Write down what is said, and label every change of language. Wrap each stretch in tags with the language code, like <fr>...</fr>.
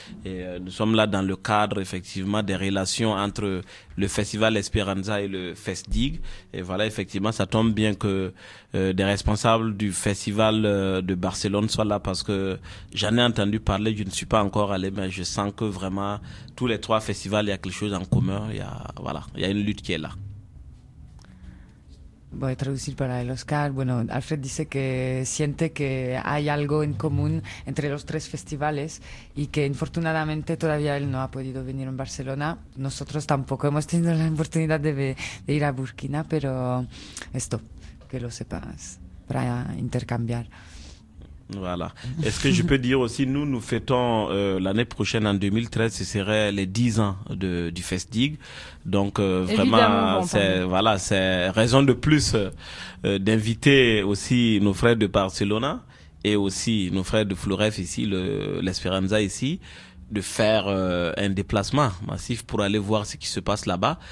<fr>Et nous sommes là dans le cadre, effectivement, des relations entre le festival Esperanza et le FESDIG. Et voilà, effectivement, ça tombe bien que des responsables du festival de Barcelone soient là, parce que j'en ai entendu parler, je ne suis pas encore allé, mais je sens que vraiment tous les trois festivals, il y a quelque chose en commun. Il y a une lutte qui est là.</fr> <es>Voy a traducir para el Oscar. Bueno, Alfred dice que siente que hay algo en común entre los tres festivales y que infortunadamente todavía él no ha podido venir en Barcelona. Nosotros tampoco hemos tenido la oportunidad de ir a Burkina, pero esto, que lo sepas, para intercambiar.</es> <fr>Voilà. Est-ce que je peux dire aussi, nous fêtons l'année prochaine en 2013, ce serait les 10 ans du FESDIG. Donc vraiment, c'est raison de plus d'inviter aussi nos frères de Barcelona et aussi nos frères de Floref ici, l'Esperanza ici, de faire un déplacement massif pour aller voir ce qui se passe là-bas.</fr>